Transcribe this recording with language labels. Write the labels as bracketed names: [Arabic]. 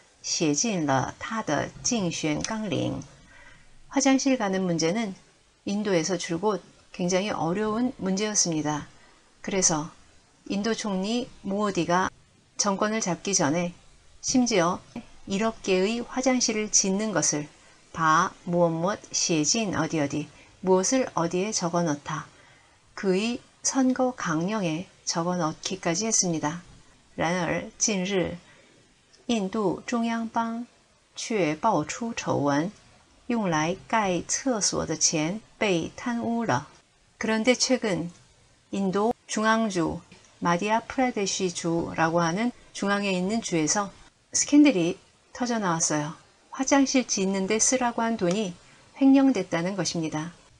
[Chinese] 甚至将盖一亿间厕所写进了他的竞选纲领。 [Korean] 화장실 가는 문제는 인도에서 줄곧 굉장히 어려운 문제였습니다. 그래서 인도 총리 모디가 정권을 잡기 전에 심지어 1억 개의 화장실을 짓는 것을 바 무엇무엇 시에진 어디어디 무엇을 어디에 적어넣다 그의 선거 강령에 적어넣기까지 했습니다. [Chinese] 然而, 近日, [Korean] 인도 중앙방 [Chinese] 却爆出 丑闻, 用来盖厕所的钱被贪污了. [Korean] 그런데 최근 인도 중앙주 마디아 프라데시 주라고 하는 중앙에 있는 주에서 스캔들이 터져나왔어요. 화장실 짓는데 쓰라고 한 돈이 횡령됐다는 것입니다.